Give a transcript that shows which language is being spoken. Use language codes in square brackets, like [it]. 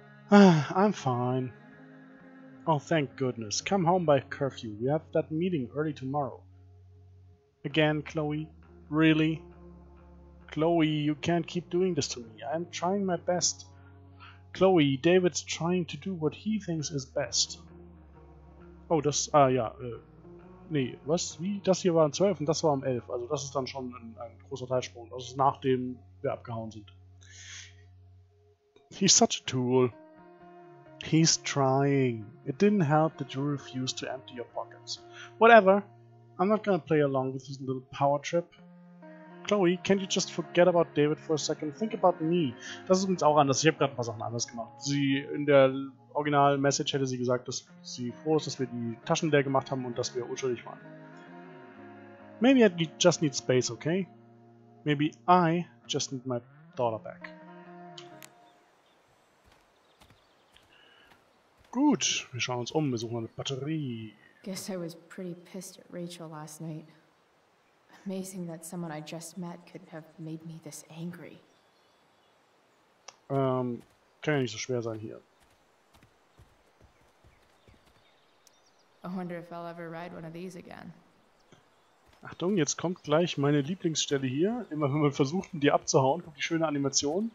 [en] I'm fine. Oh, thank goodness. Come home by curfew. We have that meeting early tomorrow. Again, Chloe? Really? Chloe, you can't keep doing this to me. I'm trying my best. Chloe, David's trying to do what he thinks is best. [de] Oh, das, ah ja, nee, was, wie, das hier war am 12 und das war am 11. Also das ist dann schon ein großer Teilsprung. Das ist nachdem wir abgehauen sind. [en] He's such a tool. He's trying. It didn't help that you refused to empty your pockets. Whatever. I'm not gonna play along with this little power trip. Chloe, can't you just forget about David for a second? Think about me. [de] Das ist übrigens auch anders. Ich habe gerade ein paar Sachen anders gemacht. Sie, in der originalen Message hätte sie gesagt, dass sie froh ist, dass wir die Taschen leer gemacht haben und dass wir unschuldig waren. [en] Maybe I just need space, okay? Maybe I just need my daughter back. [de] Gut, wir schauen uns um, wir suchen eine Batterie. [en] Guess I was pretty pissed at Rachel last night. Amazing that someone I just met could have made me this angry. [de] Kann ja nicht so schwer sein hier. [en] I wonder if I'll ever ride one of these again. [de] Achtung, jetzt kommt gleich meine Lieblingsstelle hier. Immer wenn man versucht, die abzuhauen, kommt die schöne Animation.